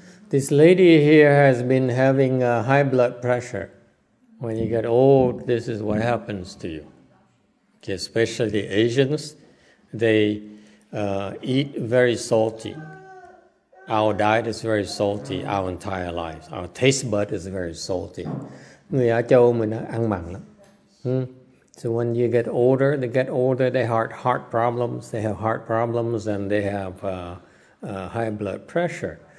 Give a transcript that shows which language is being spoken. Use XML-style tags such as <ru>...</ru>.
<en>This lady here has been having high blood pressure. When you get old, this is what happens to you. Okay, especially the Asians, they eat very salty. Our diet is very salty our entire lives. Our taste bud is very salty.</en> <vi>Người Á Châu mình ăn mặn lắm.</vi> <en>So when you get older, they have heart problems. They have heart problems and they have high blood pressure.</en>